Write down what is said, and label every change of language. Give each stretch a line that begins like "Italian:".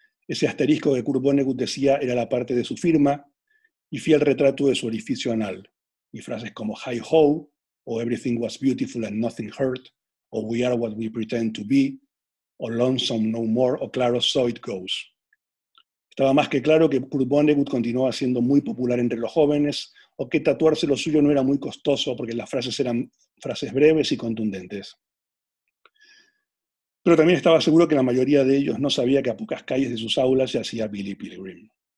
Spanish: Ese asterisco que Kurt Vonnegut decía era la parte de su firma y fiel retrato de su orificio anal. Y frases como
English: "Hi ho" o "Everything was beautiful and nothing hurt" o "We are what we pretend to be" o "Lonesome no more" o "Claro, so it goes".
Spanish: Estaba más que claro que Kurt Vonnegut continuaba siendo muy popular entre los jóvenes o que tatuarse lo suyo no era muy costoso porque las frases eran frases breves y contundentes. Pero también estaba seguro que la mayoría de ellos no sabía que a pocas calles de sus aulas yacía Billy Pilgrim.